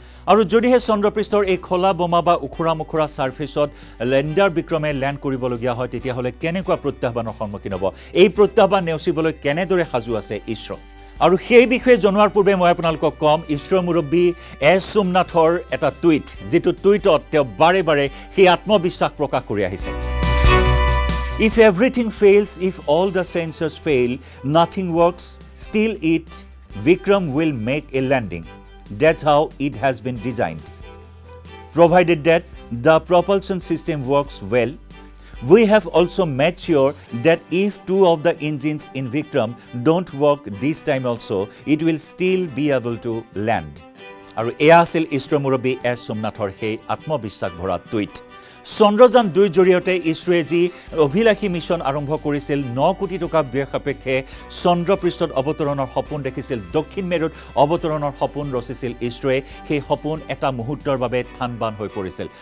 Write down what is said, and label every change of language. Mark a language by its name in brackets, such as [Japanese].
[Assamese] আৰু যদিহে চন্দ্ৰপৃষ্ঠৰ এই খলা বোমা বা ওখোৰা মোখোৰা ছাৰ্ফেচত লেণ্ডাৰ বিক্ৰমে লেণ্ড কৰিবলগীয়া হয় তেতিয়াহ'লে কেনেকুৱা প্ৰত্যাহ্বানৰ সন্মুখীন হ'ব, এই প্ৰত্যাহ্বান নেওচিবলৈ কেনেদৰে সাজু আছে ইছৰো, আৰু সেই বিষয়ে জনোৱাৰ পূৰ্বে মই আপোনালোকক কম ইছৰোৰ মুৰব্বী এছ সোমনাথৰ এটা টুইট, যিটো টুইটত তেওঁ বাৰে বাৰে সেই আত্মবিশ্বাস প্ৰকাশ কৰি আহিছে। [English] If everything fails, if all the sensors fail, nothing works, still it, Vikram will make a landing. That's how it has been designed. Provided that the propulsion system works well, we have also made sure that if two of the engines in Vikram don't work this time also, it will still be able to land. [Assamese] আৰু এয়া আছিল ইছৰ মুৰব্বী S সোমনাথৰ সেই আত্মবিশ্বাস ভৰা tweet. Chandrayaan দুইৰ জৰিয়তে ইছৰোৱে যি অভিলাষী মিছন আৰম্ভ কৰিছিল, 9 কোটি টকা ব্যয় সাপেক্ষে চন্দ্ৰপৃষ্ঠত অৱতৰণৰ সপোন দেখিছিল, দক্ষিণ মেৰুত অৱতৰণৰ সপোন ৰচিছিল ইছৰোৱে, সেই সপোন এটা মুহূৰ্তৰ বাবে থানবান হৈ পৰিছিল।